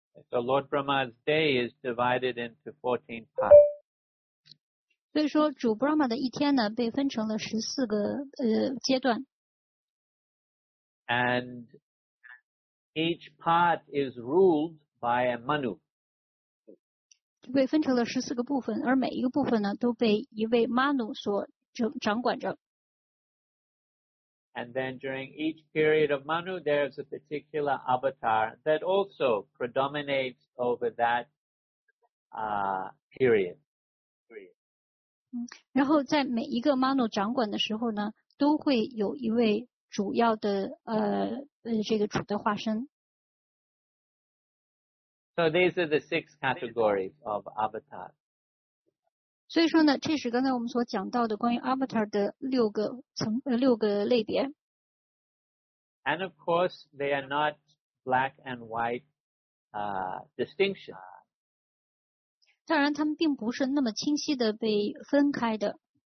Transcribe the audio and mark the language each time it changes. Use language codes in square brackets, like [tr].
[en] So Lord Brahma's day is divided into 14 parts. [zh] 所以说主 Brahma 的一天呢被分成了14个阶段。 [en] And each part is ruled by a Manu. [zh] 被分成了14个部分，而每一个部分呢都被一位 Manu 所掌管着。 [en] And then during each period of Manu, there's a particular avatar that also predominates over that, period. [zh] 然后在每一个 Manu 掌管的时候呢，都会有一位主要的这个主的化身。 [en] So these are the 6 categories of avatars. [zh] 所以说呢，这是刚才我们所讲到的关于 avatar 的六个类别。 [en] And of course, they are not black and white, distinction. [zh] 当然，他们并不是那么清晰的被分开的。